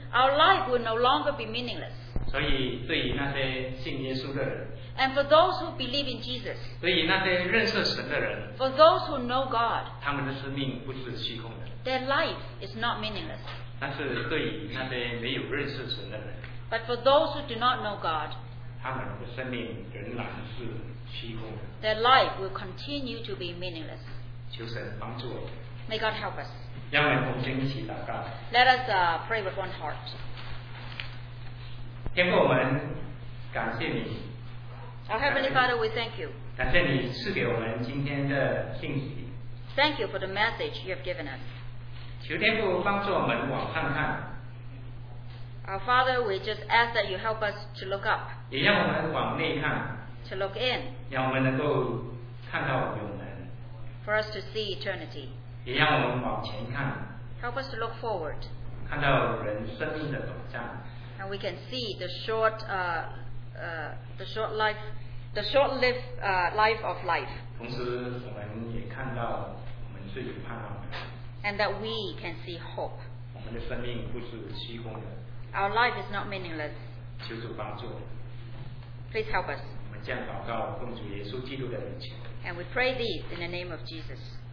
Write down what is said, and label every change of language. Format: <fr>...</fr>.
<en>Our life will no longer be meaningless.</en> <zh>所以对于那些信耶稣的人。</zh> <en>And for those who believe in Jesus.</en> <zh>对于那些认识神的人。</zh> <en>For those who know God.</en> <zh>他们的生命不是虚空的。</zh> <en>Their life is not meaningless.</en> <zh>但是对于那些没有认识神的人。</zh> <en>But for those who do not know God.</en> <zh>他们的生命仍然是虚空的。</zh> <en>Their life will continue to be meaningless.</en> <zh>求神帮助我们。</zh> <en>May God help us.</en> <zh>让我们同心一起祷告。</zh> <en>Let us pray with one heart.</en> <zh>天父，我们感谢你。</zh> <en>Our Heavenly Father, we thank you.</en> <zh>感谢你赐给我们今天的信息。</zh> <en>Thank you for the message you have given us.</en> <zh>求天父帮助我们往上看。</zh> <en>Our Father, we just ask that you help us to look up.</en> <zh>也让我们往内看。</zh> <en>To look in.</en> <zh>让我们能够看到永恒。</zh> <en>For us to see eternity.</en> <zh>也让我们往前看。</zh> <en>Help us to look forward.</en> <zh>看到人生命的短暂。</zh> <en>And we can see the short-lived life of life.</en> <zh>同时，我们也看到我们是有盼望的。</zh> <en>And that we can see hope.</en> <zh>我们的生命不是虚空的。</zh> <en>Our life is not meaningless.</en> <zh>求主帮助。</zh> <en>Please help us.</en> <zh>我们这样祷告，奉主耶稣基督的名求。</zh> <en>And we pray these in the name of Jesus.</en>